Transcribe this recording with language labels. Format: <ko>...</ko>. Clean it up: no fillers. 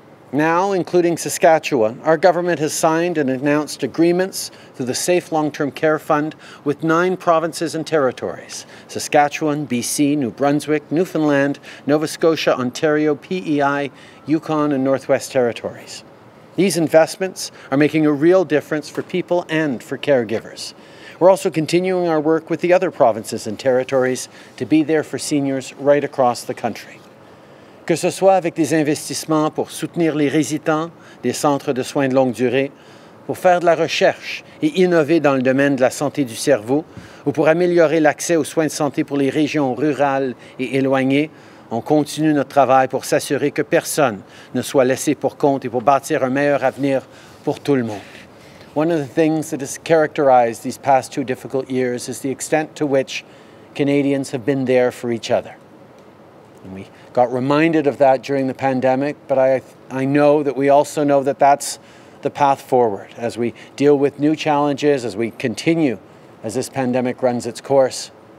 <en>Now, including Saskatchewan, our government has signed and announced agreements through the Safe Long-Term Care Fund with 9 provinces and territories: Saskatchewan, BC, New Brunswick, Newfoundland, Nova Scotia, Ontario, PEI, Yukon, and Northwest Territories. These investments are making a real difference for people and for caregivers. We're also continuing our work with the other provinces and territories to be there for seniors right across the country.</en> <fr>Que ce soit avec des investissements pour soutenir les résidents des centres de soins de longue durée, pour faire de la recherche et innover dans le domaine de la santé du cerveau, ou pour améliorer l'accès aux soins de santé pour les régions rurales et éloignées, on continue notre travail pour s'assurer que personne ne soit laissé pour compte et pour bâtir un meilleur avenir pour tout le monde.</fr> <en>One of the things that has characterized these past 2 difficult years is the extent to which Canadians have been there for each other. And we got reminded of that during the pandemic, but I know that we also know that that's the path forward as we deal with new challenges, as we continue, as this pandemic runs its course.</en>